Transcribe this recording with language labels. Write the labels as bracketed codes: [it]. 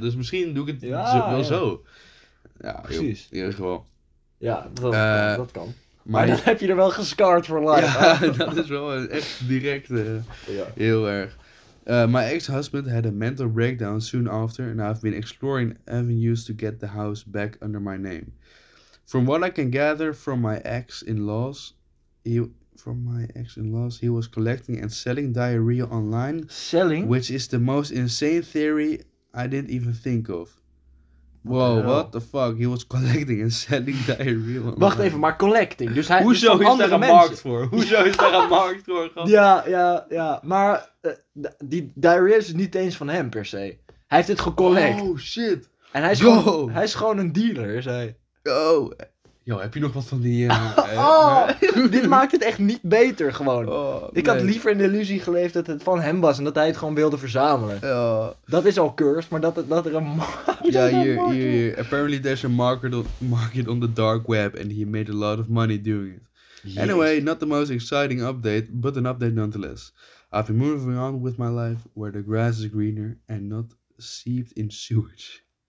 [nl] Dus misschien doe ik het zo. Ja, precies. In ieder geval. Ja, dat kan. Maar dan heb je er wel gescarred voor life. Ja, dat is wel echt direct heel erg. [en] My ex-husband had a mental breakdown soon after and I've been exploring avenues to get the house back under my name. From what I can gather from my ex-in-laws, he was collecting and selling diarrhea online. Selling? Which is the most insane theory I didn't even think of. Whoa, what the fuck? He was collecting and selling diarrhea online. [nl] Wacht even, maar collecting. Dus hij hoezo is daar een markt voor? Hoezo is daar een markt voor? Ja. Maar die diarrhea is niet eens van hem per se. Hij heeft het gecollect. [en] Oh, shit. [nl] En hij is gewoon een dealer, is hij. Oh, yo, heb je nog wat van die... dit maakt het echt niet beter gewoon. Oh, ik had liever een illusie geleefd dat het van hem was en dat hij het gewoon wilde verzamelen. Dat is al cursed, maar dat er een markt... Ja, hier. [en] Apparently there's a market on the dark web and he made a lot of money doing it. Jeez. Anyway, not the most exciting update, but an update nonetheless. I've been moving on with my life where the grass is greener and not seeped in sewage.